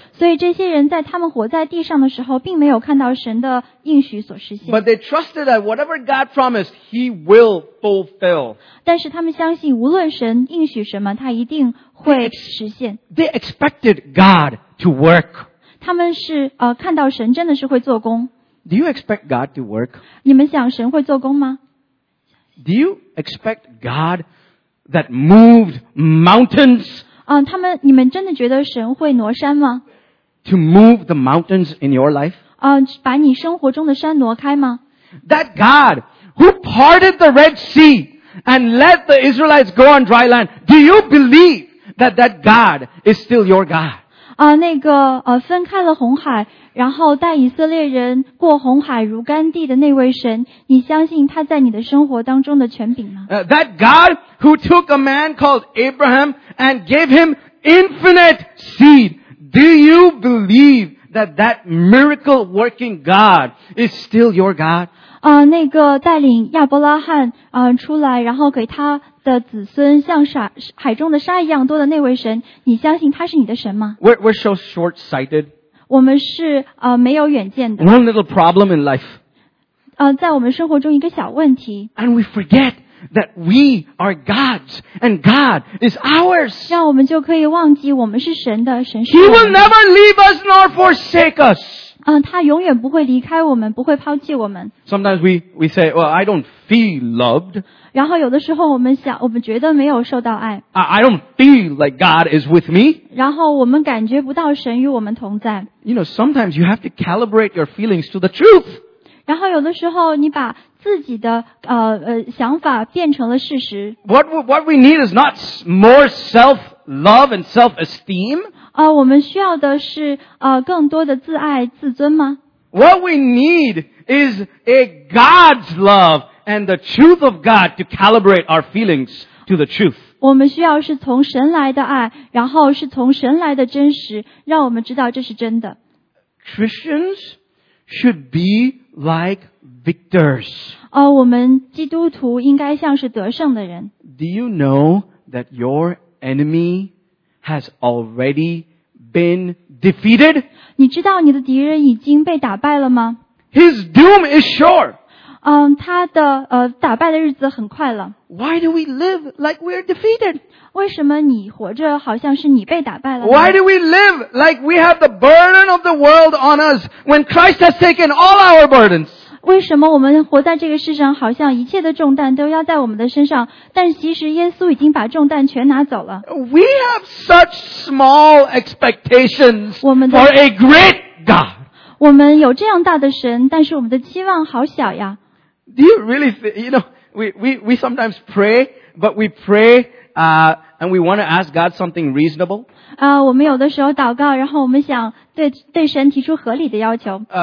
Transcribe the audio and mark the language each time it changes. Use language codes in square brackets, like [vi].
[zh] 所以这些人在他们活在地上的时候并没有看到神的应许所实现。 [en] But they trusted that whatever God promised, he will fulfill. [zh] 但是他们相信无论神应许什么他一定会实现。 [en] They expected God to work. [zh] 他们是看到神真的是会做工。 [en] Do you expect God to work? [zh] 你们想神会做工吗? [en] Do you expect God to workThat moved mountains. [zh] 他们你们真的觉得神会挪山吗 [en] ？To move the mountains in your life. [zh] 把你生活中的山挪开吗 [en] ？That God who parted the Red Sea and let the Israelites go on dry land. Do you believe that God is still your God? [zh] 分开了红海，然后带以色列人过红海如干地的那位神，你相信他在你的生活当中的权柄吗 [en] ？That God who took a man called Abraham and gave him infinite seed. Do you believe that miracle working God is still your God? [zh] 带领亚伯拉罕出来，然后给他的子孙像海中的沙一样多的那位神，你相信他是你的神吗 [en] ？We're so short-sighted. [zh] 我们是没有远见的。 [en] One little problem in life. [zh] 在我们生活中一个小问题。 [en] And we forget. That we are God's and God is ours. [zh] 让我们就可以忘记我们是神的，神是。 [en] He will never leave us nor forsake us. [zh] 他永远不会离开我们，不会抛弃我们。 [en] Sometimes we say, well, I don't feel loved. [zh] 然后有的时候我们觉得没有受到爱。 [en] I don't feel like God is with me. [zh] 然后我们感觉不到神与我们同在。 [en] You know, sometimes you have to calibrate your feelings to the truth. [zh] 然后有的时候你把自己的想法变成了事实。 [en] What we need is not more self-love and self-esteem. [zh] 我们需要的是更多的自爱自尊吗 [en] ?What we need is a God's love and the truth of God to calibrate our feelings to the truth. [zh] 我们需要是从神来的爱然后是从神来的真实让我们知道这是真的。 [en] Christians should be like victors. [zh] 我们基督徒应该像是得胜的人。 [en] Do you know that your enemy has already been defeated? [zh] 你知道你的敌人已经被打败了吗 [en] ?His doom is sure. [zh] 他的打败的日子很快了。 [en] Why do we live like we're defeated? [zh] 为什么你活着好像是你被打败了 [en] ?Why do we live like we have the burden of the world on us when Christ has taken all our burdens? [zh] 为什么我们活在这个世上好像一切的重担都压在我们的身上，但其实耶稣已经把重担全拿走了。 [en] We have such small expectations for a great God. [zh] 我们有这样大的神，但是我们的期望好小呀。 [en] Do you really think, you know, we sometimes pray, but we pray, and we want to ask God something reasonable. [zh] 我们有的时候祷告，然后我们想对神提出合理的要求。